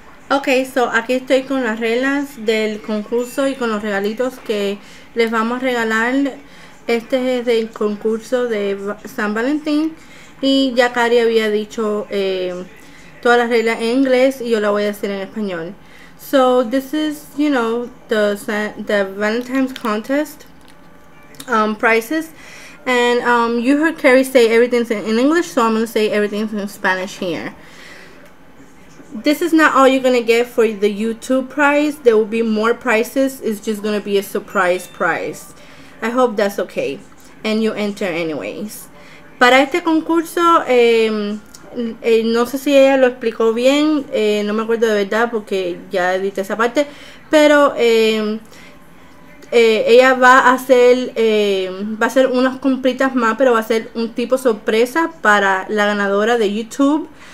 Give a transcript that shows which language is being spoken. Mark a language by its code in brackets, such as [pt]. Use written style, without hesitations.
[es] Okay, so aquí estoy con las reglas del concurso y con los regalitos que les vamos a regalar. Este es el concurso de San Valentín. Y ya Cari había dicho todas las reglas en inglés y yo la voy a decir en español. [en] So this is, you know, the Valentine's contest prizes. And you heard Cari say everything's in English, so I'm going to say everything's in Spanish here. This is not all you're going to get for the YouTube prize. There will be more prizes. It's just going to be a surprise prize. I hope that's okay. And you enter anyways. [es] Para este concurso, no sé si ella lo explicó bien, no me acuerdo de verdad porque ya edité esa parte, pero ella va a hacer unas compritas más, pero va a ser un tipo sorpresa para la ganadora de YouTube.